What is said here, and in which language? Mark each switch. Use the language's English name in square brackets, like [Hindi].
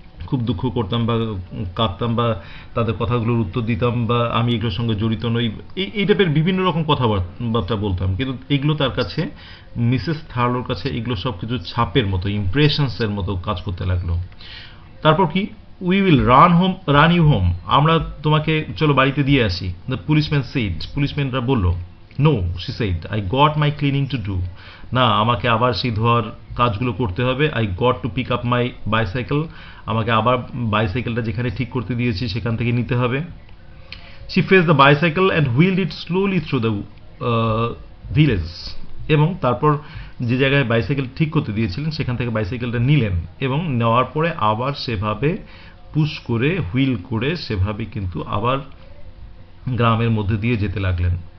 [Bangla] খুব দুঃখ করতাম বা কাঁদতাম বা তাদের কথাগুলোর উত্তর দিতাম বা আমি এগুলোর সঙ্গে জড়িত নই, এই টাইপের বিভিন্ন রকম কথাবার্তা বলতাম, কিন্তু এগুলো তার কাছে মিসেস থার্লোর কাছে এগুলো সব কিছু ছাপের মতো ইম্প্রেশনসের মতো কাজ করতে লাগলো। তারপর কি, [English] we will run you home, [Bangla] আমরা তোমাকে চলো বাড়িতে দিয়ে আসি, [English] the policeman said, [Bangla] পুলিশম্যানরা বলল, [English] No, she said, I got my cleaning to do. [Bangla] না, আমাকে আবার সেই ধোয়ার কাজগুলো করতে হবে। [English] I got to pick up my bicycle, [Bangla] আমাকে আবার বাইসাইকেলটা যেখানে ঠিক করতে দিয়েছি সেখান থেকে নিতে হবে। [English] she face the bicycle and wheel it slowly through the village, [Bangla] এবং তারপর যে জায়গায় বাইসাইকেল ঠিক করতে দিয়েছিলেন সেখান থেকে বাইসাইকেলটা নিলেন, এবং নেওয়ার পরে আবার সেভাবে পুশ করে হুইল করে সেভাবে কিন্তু আবার গ্রামের মধ্যে দিয়ে যেতে লাগলেন।